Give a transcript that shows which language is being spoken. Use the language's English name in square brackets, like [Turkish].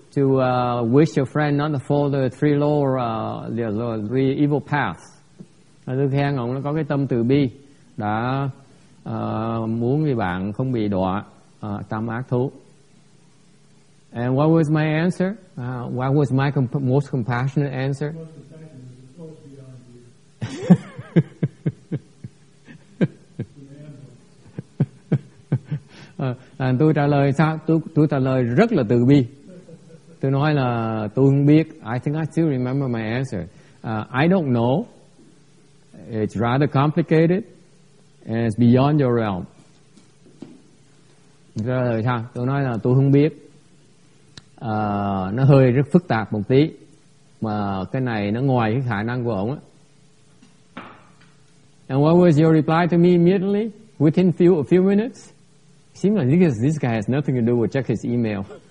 [English] to wish your friend not to follow the three lower the three evil paths. [Vietnamese] Và thứ hai, ông nó có cái tâm từ bi đã muốn người bạn không bị đọa tâm ác thú. [English] And what was my answer? What was my most compassionate answer? [Vietnamese] Tôi trả lời sao? Tôi trả lời rất là từ bi. Tôi nói là tôi không biết. [English] I think I still remember my answer. I don't know. It's rather complicated and it's beyond your realm. [Vietnamese] Trả lời sao? Tôi nói là tôi không biết. Nó hơi rất phức tạp một tí, mà cái này nó ngoài cái khả năng của ông á. [English] And what was your reply to me immediately within a few minutes? Seems like this guy has nothing to do with check his email.